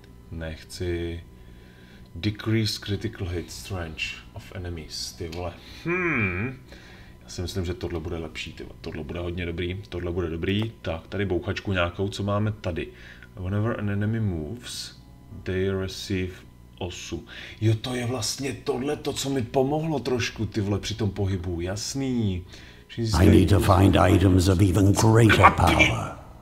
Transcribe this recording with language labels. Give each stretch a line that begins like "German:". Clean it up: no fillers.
Czech: Nechci.
English: Decrease critical hit strength of enemies,
Czech: ty vole. Já si myslím, že tohle bude lepší, ty vole. Tohle bude hodně dobrý, tohle bude dobrý. Tak, tady bouchačku nějakou, co máme tady.
English: Whenever an enemy moves, they receive 8.
Czech: Jo, to je vlastně tohle to, co mi pomohlo trošku, ty vole, při tom pohybu, jasný.
English: I need to find items of even greater power.